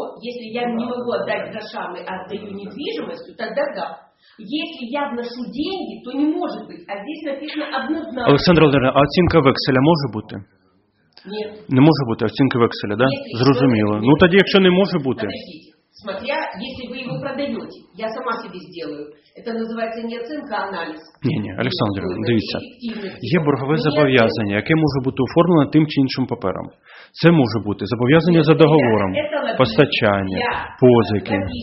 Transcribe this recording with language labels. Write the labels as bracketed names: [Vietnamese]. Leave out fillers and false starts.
[Ukrainian] Якщо я не можу віддати грошами, а віддаю недвіжимості, то тоді так. Якщо я вношу гроші, то не може бути. А тут написано однозначно. Олександр Володимирович, а оцінка векселя може бути? Ні. Не може бути оцінка векселя, так? Да? Зрозуміло. Ну тоді, якщо не може бути... [Russian] Подождите. смотря, если вы его продаете, я сама себе сделаю. Это называется не оценка, а анализ. [Ukrainian] Ні, Олександр, дивіться. Є боргове зобов'язання, яке може бути оформлене тим чи іншим папером. Це може бути зобов'язання за договором, постачання, позики.